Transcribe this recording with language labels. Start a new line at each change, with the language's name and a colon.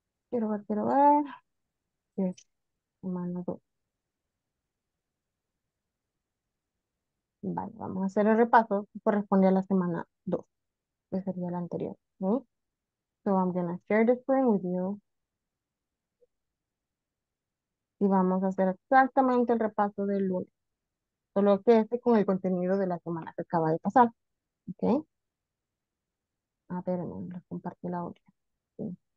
Spanish: Quiero ver. Yes. Mano 2. Vale, vamos a hacer el repaso que corresponde a la semana 2, que sería la anterior. ¿Sí?
English: So I'm gonna share the screen with you.
Spanish: Y vamos a hacer exactamente el repaso del lunes. Solo que este con el contenido de la semana que acaba de pasar. ¿Ok? A ver, les compartí la otra. ¿Sí?